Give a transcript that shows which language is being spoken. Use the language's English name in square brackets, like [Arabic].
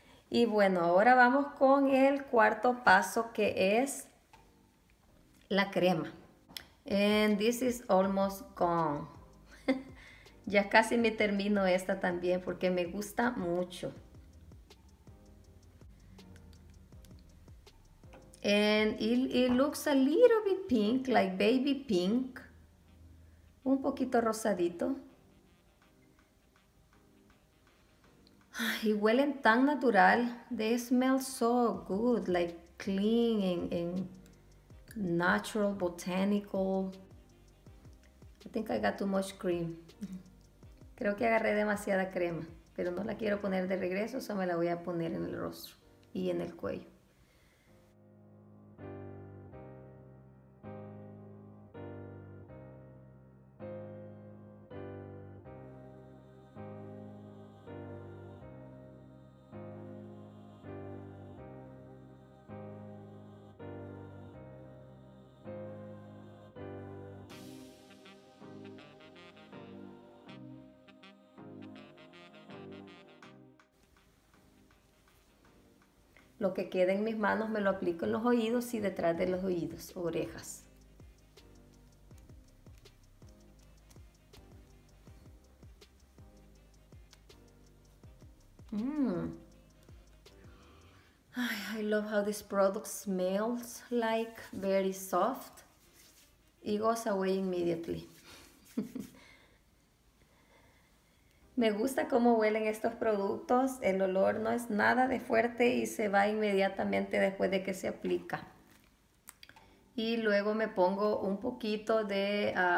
[Spanish] Y bueno, ahora vamos con el cuarto paso que es la crema. [English] And this is almost gone. [Spanish] Ya casi me termino esta también porque me gusta mucho. [English] And it looks a little bit pink, like baby pink. [Spanish] Un poquito rosadito. Y huelen tan natural. [English] They smell so good, like clean and natural, botanical. I think I got too much cream. [Spanish] Creo que agarré demasiada crema, pero no la quiero poner de regreso, solo me la voy a poner en el rostro y en el cuello. Lo que queda en mis manos me lo aplico en los oídos y detrás de los oídos, orejas. [English] I love how this product smells like very soft. It goes away immediately. [Spanish] Me gusta cómo huelen estos productos. El olor no es nada de fuerte y se va inmediatamente después de que se aplica. Y luego me pongo un poquito de